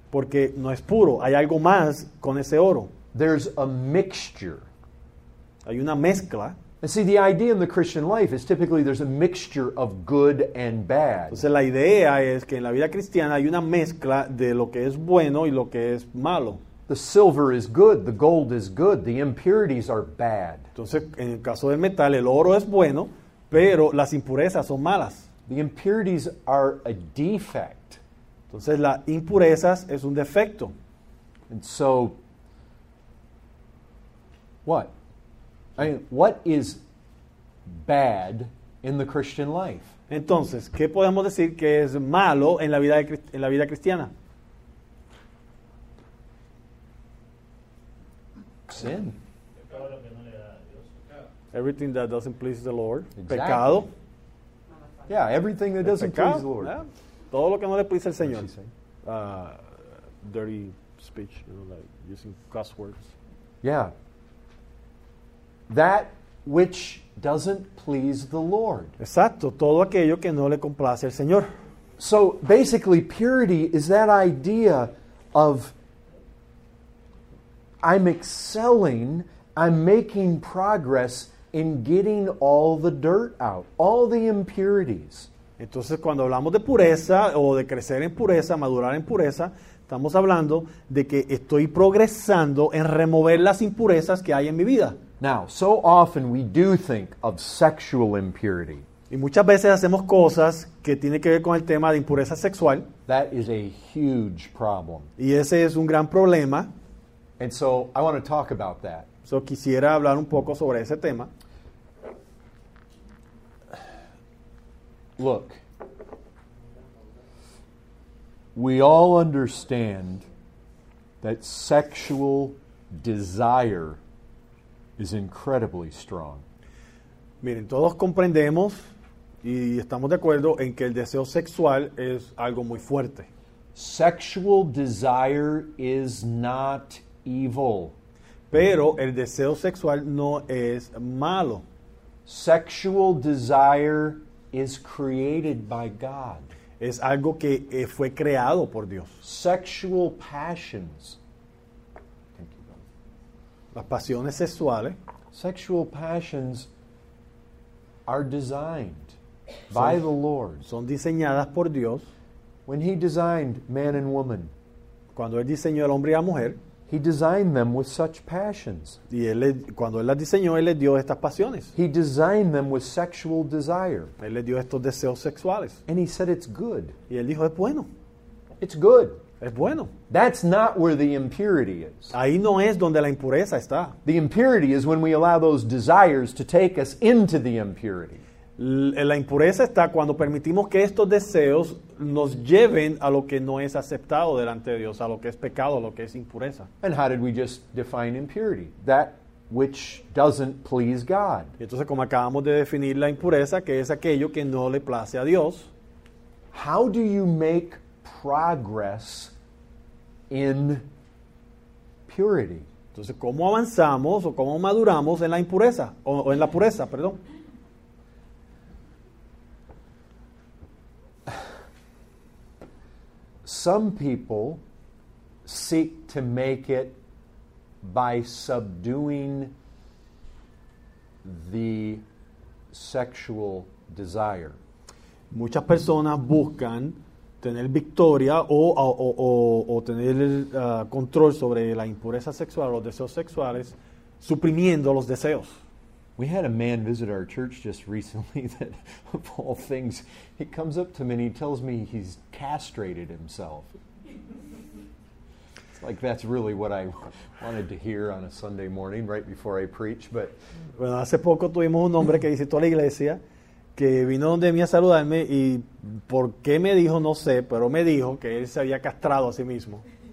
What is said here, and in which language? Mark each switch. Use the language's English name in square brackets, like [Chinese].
[Spanish] Porque no es puro, hay algo más con ese oro. [English] There's a mixture. [Spanish] Hay una mezcla. [English] And see, the idea in the Christian life is typically there's a mixture of good and bad. [Spanish] Entonces la idea es que en la vida cristiana hay una mezcla de lo que es bueno y lo que es malo. [English] The silver is good, the gold is good, the impurities are bad. [Spanish] Entonces en el caso del metal, el oro es bueno, pero las impurezas son malas. [English] The impurities are a defect. [Spanish] Entonces las impurezas es un defecto. [English] And so, what? I mean, what is bad in the Christian life? [Spanish] Entonces, ¿qué podemos decir que es malo en la vida de, en la vida cristiana? [English] Sin. Everything that doesn't please the Lord. Exactly. [Spanish] Pecado. [English] Yeah, everything that doesn't [Spanish] pecado, [English] please the Lord. Yeah. [Spanish] Todo lo que no le plice al Señor. [English] What did she say? Dirty speech, you know, like using cuss words. Yeah. That which doesn't please the Lord. [Spanish] Exacto, todo aquello que no le complace al Señor. [English] So basically, purity is that idea of I'm excelling, I'm making progress in getting all the dirt out, all the impurities. [Spanish] Entonces, cuando hablamos de pureza o de crecer en pureza, madurar en pureza, estamos hablando de que estoy progresando en remover las impurezas que hay en mi vida. [English] Now, so often we do think of sexual impurity. [Spanish] Y muchas veces hacemos cosas que tienen que ver con el tema de impureza sexual. [English] That is a huge problem. [Spanish] Y ese es un gran problema. [English] And so I want to talk about that. [Spanish] So quisiera hablar un poco sobre ese tema. [English] Look, we all understand that sexual desire is incredibly strong. [Spanish] Miren, todos comprendemos y estamos de acuerdo en que el deseo sexual es algo muy fuerte. [English] Sexual desire is not evil. [Spanish] Pero el deseo sexual no es malo. [English] Sexual desire is created by God. [Spanish] Es algo que fue creado por Dios. [English] Sexual passions. Thank you, brother. [Spanish] Las pasiones sexuales. [English] Sexual passions are designed by the Lord. [Spanish] Son diseñadas por Dios. [English] When he designed man and woman. [Spanish] Cuando él diseñó al hombre y a la mujer. [English] He designed them with such passions. [Spanish] Y él, cuando él las diseñó, él les dio estas pasiones. [English] He designed them with sexual desire. [Spanish] Él les dio estos deseos sexuales. [English] And he said it's good. [Spanish] Y él dijo, es bueno. [English] It's good. [Spanish] Es bueno. [English] That's not where the impurity is. [Spanish] Ahí no es donde la impureza está. [English] The impurity is when we allow those desires to take us into the impurity. [Spanish] La impureza está cuando permitimos que estos deseos nos lleven a lo que no es aceptado delante de Dios, a lo que es pecado, a lo que es impureza. [English] And how did we just define impurity? That which doesn't please God. [Spanish] Entonces, como acabamos de definir la impureza, que es aquello que no le place a Dios. [English] How do you make progress in purity? [Spanish] Entonces, ¿cómo avanzamos o cómo maduramos en la impureza o en la pureza, perdón? [English] Some people seek to make it by subduing the sexual desire. [Spanish] Muchas personas buscan tener victoria o tener control sobre la impureza sexual, los deseos sexuales, suprimiendo los deseos. [English] We had a man visit our church just recently that, of all things, he comes up to me and he tells me he's castrated himself. It's like that's really what I wanted to hear on a Sunday morning right before I preach, but... [Spanish] Bueno, hace poco tuvimos un hombre que visitó a la iglesia que vino donde mí a saludarme y por qué me dijo, no sé, pero me dijo que él se había castrado a sí mismo.